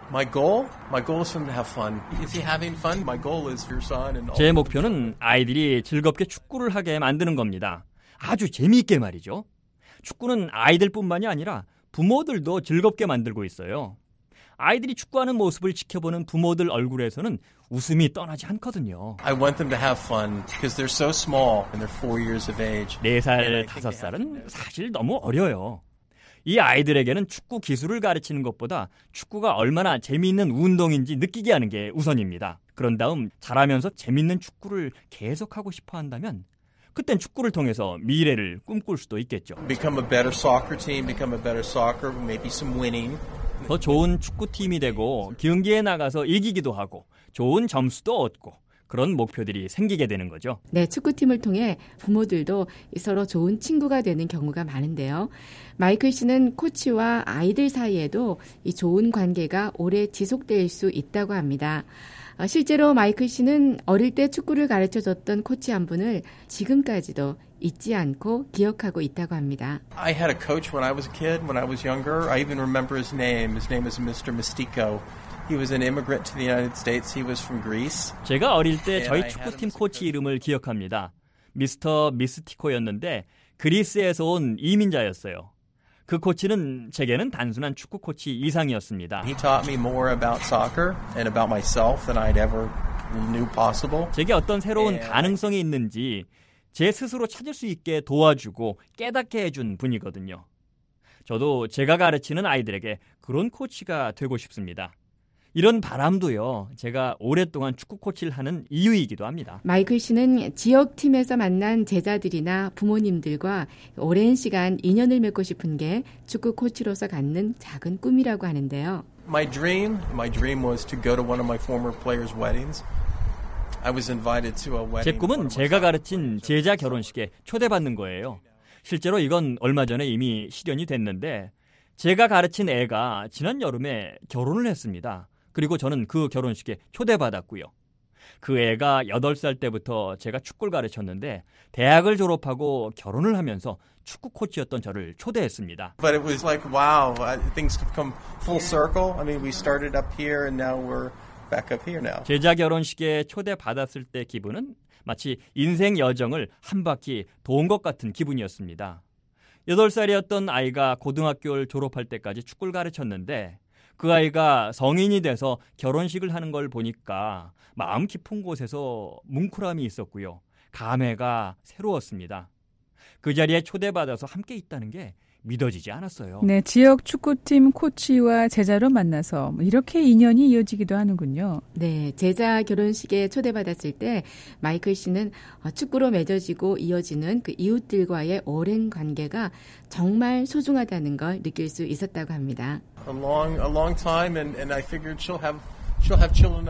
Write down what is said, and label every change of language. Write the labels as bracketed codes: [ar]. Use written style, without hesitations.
[en] My goal is for him to have fun. Is he having fun? My goal is your son and all. [ko] 제 목표는 아이들이 즐겁게 축구를 하게 만드는 겁니다. 아주 재미있게 말이죠. 축구는 아이들뿐만이 아니라 부모들도 즐겁게 만들고 있어요. 아이들이 축구하는 모습을 지켜보는 부모들 얼굴에서는 웃음이 떠나지 않거든요. [en] I want them to have fun because they're so small and they're 4 years of age. [ko] 4살, 5살은 사실 너무 어려요. 이 아이들에게는 축구 기술을 가르치는 것보다 축구가 얼마나 재미있는 운동인지 느끼게 하는 게 우선입니다. 그런 다음 자라면서 재미있는 축구를 계속하고 싶어 한다면 그땐 축구를 통해서 미래를 꿈꿀 수도 있겠죠. [en] Become a better soccer team, become a better soccer, maybe some winning. [ko] 더 좋은 축구팀이 되고 경기에 나가서 이기기도 하고 좋은 점수도 얻고 그런 목표들이 생기게 되는 거죠. 네, 축구팀을 통해 부모들도 서로 좋은 친구가 되는 경우가 많은데요. 마이클 씨는 코치와 아이들 사이에도 이 좋은 관계가 오래 지속될 수 있다고 합니다. 실제로 마이클 씨는 어릴 때 축구를 가르쳐줬던 코치 한 분을 지금까지도 잊지 않고 기억하고 있다고 합니다. [en] I had a coach when I was a kid, when I was younger. I even remember his name. His name is Mr. Mystico. He was an immigrant to the United States. He was from Greece. [ko] 제가 어릴 때 저희 축구팀 코치 이름을 기억합니다. 미스터 미스티코였는데 그리스에서 온 이민자였어요. 그 코치는 제게는 단순한 축구 코치 이상이었습니다. [en] He taught me more about soccer and about myself than I'd ever new possible. [ko] 제게 어떤 새로운 가능성이 있는지 제 스스로 찾을 수 있게 도와주고 깨닫게 해준 분이거든요. 저도 제가 가르치는 아이들에게 그런 코치가 되고 싶습니다. 이런 바람도요, 제가 오랫동안 축구 코치를 하는 이유이기도 합니다. 마이클 씨는 지역팀에서 만난 제자들이나 부모님들과 오랜 시간 인연을 맺고 싶은 게 축구 코치로서 갖는 작은 꿈이라고 하는데요. [en] My dream was to go to one of my former players' weddings. I was invited to a wedding. [ko] 제 꿈은 제가 가르친 제자 결혼식에 초대받는 거예요. 실제로 이건 얼마 전에 이미 실현이 됐는데 제가 가르친 애가 지난 여름에 결혼을 했습니다. 그리고 저는 그 결혼식에 초대받았고요. 그 애가 8살 때부터 제가 축구를 가르쳤는데 대학을 졸업하고 결혼을 하면서 축구 코치였던 저를 초대했습니다. [en] But it was like wow, things have come full circle. I mean, we started up here and now we're back up here now. [ko] 제자 결혼식에 초대받았을 때 기분은 마치 인생 여정을 한 바퀴 도운 것 같은 기분이었습니다. 8살이었던 아이가 고등학교를 졸업할 때까지 축구를 가르쳤는데 그 아이가 성인이 돼서 결혼식을 하는 걸 보니까 마음 깊은 곳에서 뭉클함이 있었고요. 감회가 새로웠습니다. 그 자리에 초대받아서 함께 있다는 게 믿어지지 않았어요. 네, 지역 축구팀 코치와 제자로 만나서 이렇게 인연이 이어지기도 하는군요. 네, 제자 결혼식에 초대받았을 때 마이클 씨는 축구로 맺어지고 이어지는 그 이웃들과의 오랜 관계가 정말 소중하다는 걸 느낄 수 있었다고 합니다. [en] A long time and I figured she'll have children.